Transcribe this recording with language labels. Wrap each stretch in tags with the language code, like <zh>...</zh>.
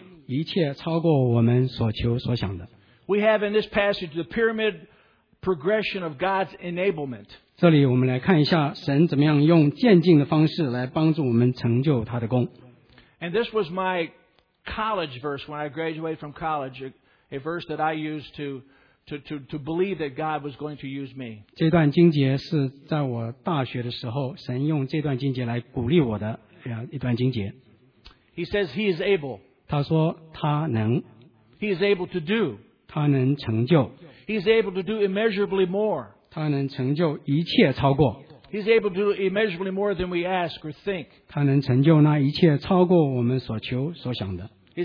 <zh>在我们结束的时候，让我们来思想神能成就在我们生命里一切超过我们所求所想的。</zh> <en>We have in this passage the pyramid progression of God's enablement.</en> <zh>这里我们来看一下神怎么样用渐进的方式来帮助我们成就他的功。</zh> <en>And this was my college verse when I graduated from college, a verse that I used to believe that God was going to use me.</en> <zh>这段经节是在我大学的时候，神用这段经节来鼓励我的一段经节。</zh> <en>He says He is able.</en> <zh>他说他能。</zh> <en>He is able to do.</en> <zh>他能成就。</zh> <en>He is able to do immeasurably more.</en> <zh>他能成就一切超过。</zh> <en>He is able to do immeasurably more than we ask or think.</en> <zh>他能成就那一切超过我们所求所想的。</zh> <en>He</en>